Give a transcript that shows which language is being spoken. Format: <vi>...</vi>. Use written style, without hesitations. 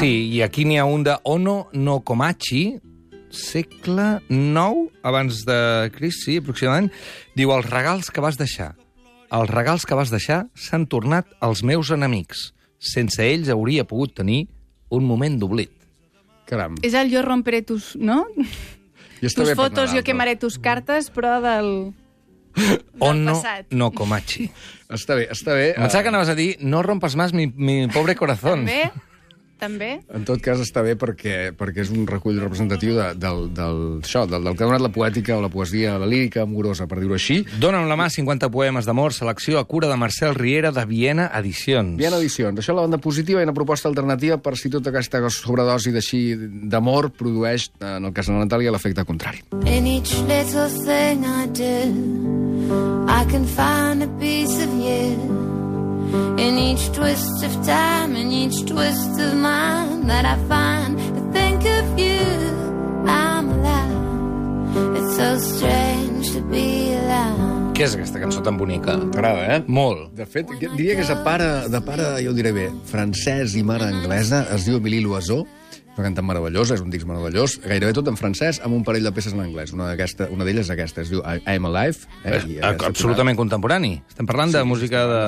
<ca>Sí, i aquí n'hi ha un de Ono no Komachi, segle IX abans de Crist, sí, aproximadament, diu els regals que vas deixar. Els regals que vas deixar s'han tornat els meus enemics. Sense ells hauria pogut tenir un moment d'oblit. Caram. És el jo</ca> <es>romperé tus,</es> <ca>no? Tus fotos, jo</ca> <es>quemaré tus</es> <ca>cartes, però del passat. O no comachi. Està bé, està bé. Em pensava que anaves a dir,</ca> <es>no rompes más mi pobre corazón.</es> <ca>També. En tot cas, està bé perquè és un recull representatiu del que ha donat la poètica o la poesia, la lírica amorosa, per dir-ho així. Dóna'm la mà, 50 poemes d'amor, selecció a cura de Marcel Riera, de Viena Edicions. Viena Edicions. Això és la banda positiva i una proposta alternativa per si tota aquesta sobredosi d'així d'amor produeix, en el cas de la Natàlia, l'efecte contrari.</ca> <en>In each little thing I do, I can find a piece of you. In each twist of time, in each twist of mind that I find to think of you, I'm alive. It's so strange to be alive.</en> <ca>Què és aquesta cançó tan bonica? T'agrada, eh? Molt. De fet, diria que és de pare, jo ho diré bé, francès i mare anglesa, es diu Emily Loiseau. Una cantant meravellosa, és un disc meravellós, gairebé tot en francès, amb un parell de peces en anglès. Una d'elles és aquesta, es diu I'm Alive. Absolutament contemporani. Estem parlant de música de...</ca>